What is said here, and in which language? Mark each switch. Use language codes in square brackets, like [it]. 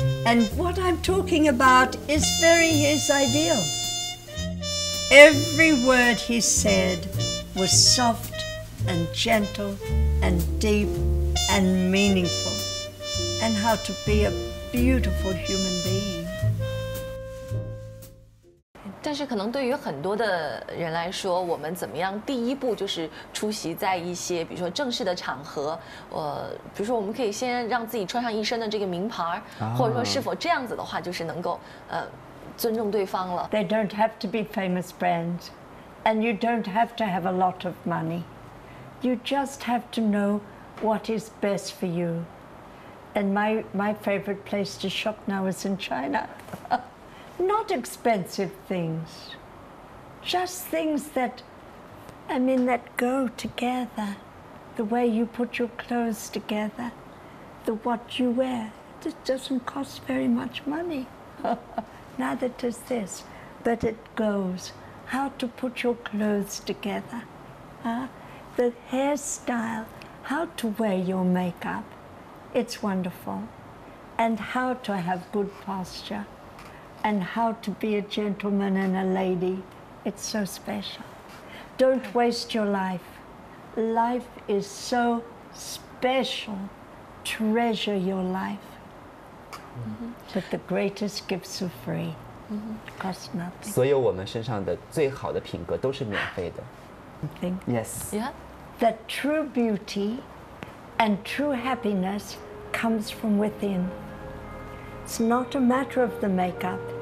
[en] And what I'm talking about is very his ideals. Every word he said was soft and gentle and deep and meaningful. And how to be a beautiful human being. [zh] 但是可能对于很多的人来说，我们怎么样第一步就是出席在一些比如说正式的场合，比如说我们可以先让自己穿上一身的这个名牌，或者说是否这样子的话就是能够尊重对方了。 [en] They don't have to be famous brands, and you don't have to have a lot of money. You just have to know what is best for you. And my favorite place to shop now is in China. Not expensive things, just things that, I mean, that go together. The way you put your clothes together, the what you wear, it doesn't cost very much money. Neither does this, but it goes. How to put your clothes together, the hairstyle, how to wear your makeup, it's wonderful. And how to have good posture. And how to be a gentleman and a lady. It's so special. Don't waste your life. Life is so special. Treasure your life. Mm-hmm. But the greatest gifts are free. Mm-hmm. Cost nothing. [zh] 所有我们身上的最好的品格都是免费的。 [en] Think? Yes. Yeah. That true beauty and true happiness comes from within. It's not a matter of the makeup.